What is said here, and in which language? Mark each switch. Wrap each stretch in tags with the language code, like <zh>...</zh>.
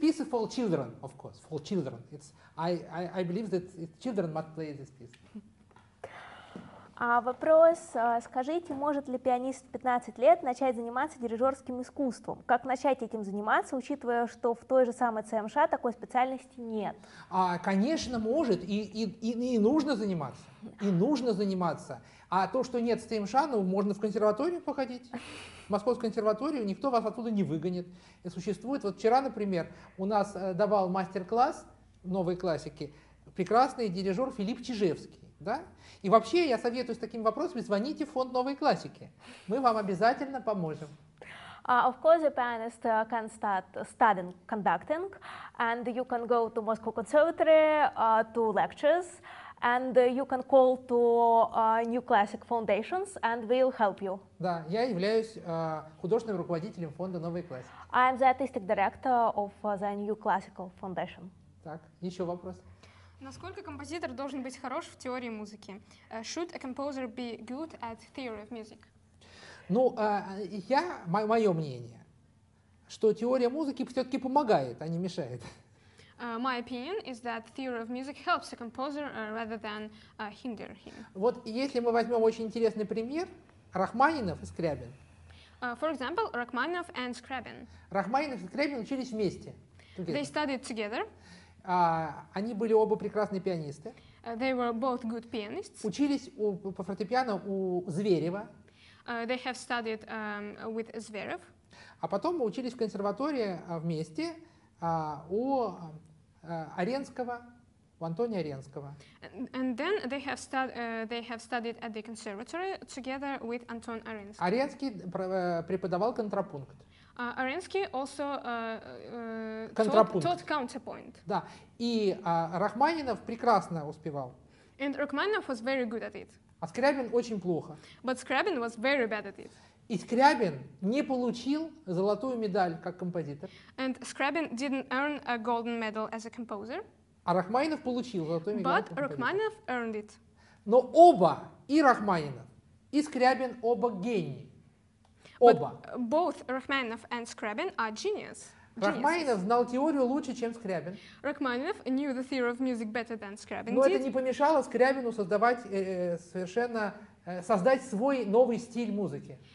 <en>For children, of course, for children. It's I believe that children must play this piece.</en> <ru>Вопрос. Скажите, может ли пианист в 15 лет начать заниматься дирижерским искусством? Как начать этим заниматься, учитывая, что в той же самой ЦМШ такой специальности нет? Конечно, может, и нужно заниматься. И нужно заниматься. А то, что нет ЦМШ, ну, можно в консерваторию походить. В Московскую консерваторию никто вас оттуда не выгонит. И существует. Вот вчера, например, у нас давал мастер-класс новой классики прекрасный дирижер Филипп Чижевский. Да? И вообще, я советую с таким вопросом, звоните в фонд «Новой классики». Мы вам обязательно поможем.</ru> <en>Of course, a pianist can start studying conducting, and you can go to Moscow Conservatory to lectures, and you can call to New Classic Foundations, and we'll help you.</en> <ru>Да, я являюсь художественным руководителем фонда «Новой классики».</ru> <en>I'm the artistic director of the New Classical Foundation.</en> <ru>Так, еще вопрос. Насколько композитор должен быть хорош в теории музыки?</ru> <en>Should a composer be good at theory of music?</en> <ru>Ну, мое мнение, что теория музыки все-таки помогает, а не мешает.</ru> <en>My opinion is that theory of music helps a composer rather than hinder him.</en> <ru>Вот если мы возьмем очень интересный пример, Рахманинов и Скрябин.</ru> <en>For example, Rachmaninoff and Scriabin.</en> <ru>Рахманинов и Скрябин учились вместе.</ru> <en>They studied together.</en> <ru>Они были оба прекрасные пианисты.</ru> <en>They were both good pianists.</en> <ru>Учились по фортепиано у Зверева.</ru> <en>They have studied with Zverev.</en> <ru>А потом мы учились в консерватории вместе Оренского, у Антония Оренского.</ru> <en>And then they have studied at the conservatory together with Anton Arensky.</en> <ru>Оренский преподавал контрапункт.</ru> <en>Оренский also taught counterpoint.</en> <ru>Да, и Рахманинов прекрасно успевал.</ru> <en>And Rachmaninoff was very good at it.</en> <ru>А Скрябин очень плохо.</ru> <en>But Scriabin was very bad at it.</en> <ru>И Скрябин не получил золотую медаль как композитор.</ru> <en>And Scriabin didn't earn a golden medal as a composer.</en> <ru>А Рахманинов получил золотую медаль.</ru> <en>But Rachmaninoff earned it.</en> <ru>Но оба, и Рахманинов, и Скрябин, оба гении. Оба.</ru> <en>But both Rachmaninoff and Scriabin are genius.</en> <ru>Рахманинов знал теорию лучше, чем Скрябин.</ru> <en>Rachmaninoff knew the theory of music better than Scriabin.</en> <ru>Но это не помешало Скрябину создать свой новый стиль музыки.</ru>